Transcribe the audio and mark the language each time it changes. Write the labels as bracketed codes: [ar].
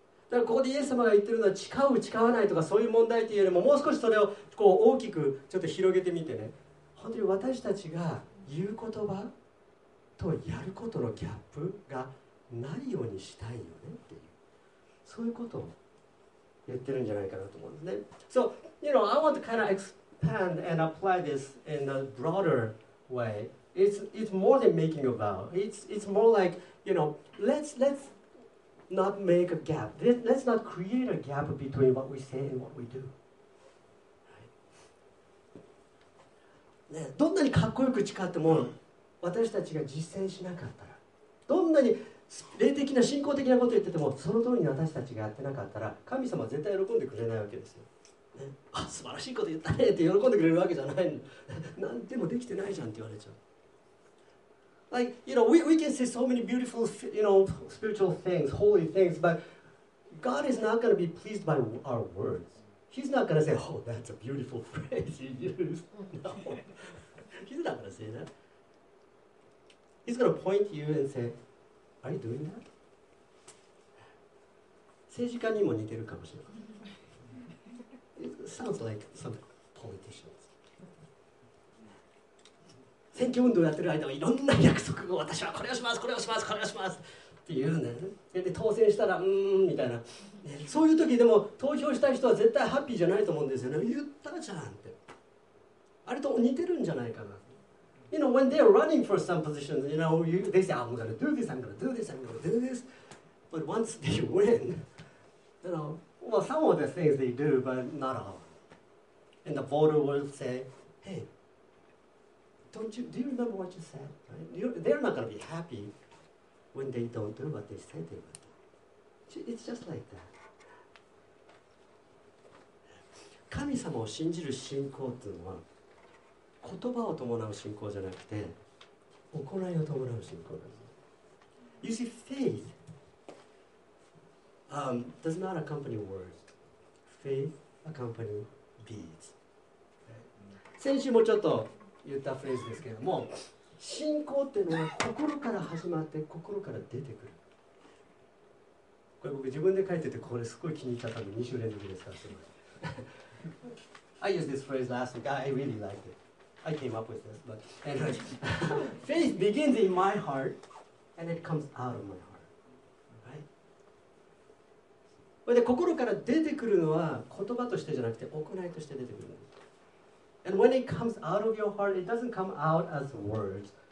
[ja] だからここでイエス様が言ってるのは、誓う誓わないとかそういう問題というよりも、もう少しそれをこう大きくちょっと広げてみてね。本当に私たちが言う言葉とやることのギャップがないようにしたいよねっていう、そういうことを言ってるんじゃないかなと思うんですね。 [en] So, you know, I want to kind of expand and apply this in a broader way. It's more than making a vow. It's more like, you know, let's not make a gap. Let's not create a gap between what we say and what we do. [ja] ね、どんなにかっこよく誓っても、私たちが実践しなかったら、どんなに霊的な信仰的なことを言ってても、その通りに私たちがやってなかったら、神様は絶対喜んでくれないわけですよ。ね、あ、素晴らしいこと言ったねって喜んでくれるわけじゃないの。何でもできてないじゃんって言われちゃう。 [en] Like, you know, we can say so many beautiful, you know, spiritual things, holy things, but God is not going to be pleased by our words. He's not going to say, oh, that's a beautiful phrase you used. No. He's not going to say that. He's going to point you and say, are you doing that? [ja] 政治家にも似てるかもしれない。 [en] It sounds like some politicians. [ja] 選挙運動やってる間はいろんな約束を、私はこれをします、これをします、これをしますって言うね。で、当選したら、みたいな、ね。そういう時でも、投票した人は絶対ハッピーじゃないと思うんですよね。言ったじゃんって。あれと似てるんじゃないかな。 [en] You know, when they're running for some positions, you know, they say, I'm gonna do this, I'm gonna do this, I'm gonna do this. But once they win, you know,Well, some of the things they do, but not all. And the voter will say, hey, do you remember what you said? Right? They're not going to be happy when they don't do what they said they would do. It's just like that. [ja] 神様を信じる信仰というのは、言葉を伴う信仰じゃなくて、行いを伴う信仰なんです。 [en] You see, faithdoes not accompany words. Faith accompanies deeds. [ja] 先週もちょっと言ったフレーズですけれども、信仰っていうのは心から始まって心から出てくる。これ僕自分で書いてて、これすごい気に入った、多分2週連続で使ってます。 [en] I used this phrase last week. I really liked it. I came up with this. But anyway, faith begins in my heart and it comes out of my heart. [ja] で、心から出てくるのは言葉としてじゃなくて行いとして出てくるんです。 [en] And when it comes out of your heart, it doesn't come out as words.